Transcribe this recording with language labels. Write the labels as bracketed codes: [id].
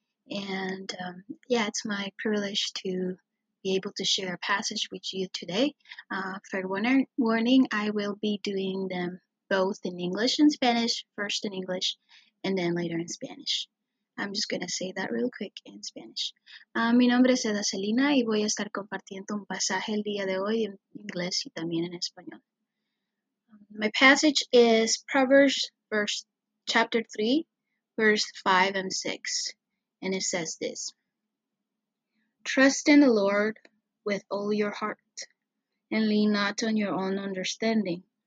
[en] And it's my privilege to be able to share a passage with you today. Fair warning, I will be doing them both in English and Spanish, first in English and then later in Spanish. I'm just going to say that real quick in Spanish. [es] Mi nombre es Eda Selena y voy a estar compartiendo un pasaje el día de hoy en inglés y también en español. [en] My passage is Proverbs chapter 3, verse 5 and 6. And it says this: Trust in the Lord with all your heart, and lean not on your own understanding.